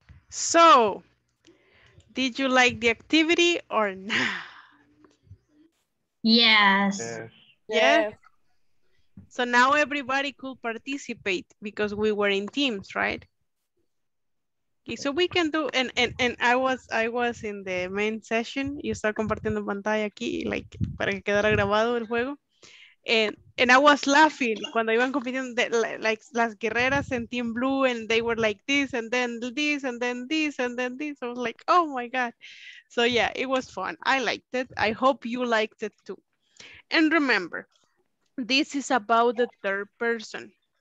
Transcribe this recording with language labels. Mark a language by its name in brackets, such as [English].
[English] So, did you like the activity or not? Yes. Yeah. Yes. So now everybody could participate because we were in teams, right? Okay, so we can do, and I was in the main session. [Spanish] Yo estaba compartiendo pantalla aquí, like, para que quedara grabado el juego. [English] And I was laughing [Spanish] cuando iban compitiendo, [English] like, [Spanish] las guerreras en [English] Team Blue, and they were like this, and then this, and then this, and then this. I was like, oh my God. So yeah, it was fun. I liked it. I hope you liked it too. And remember, this is about the third person.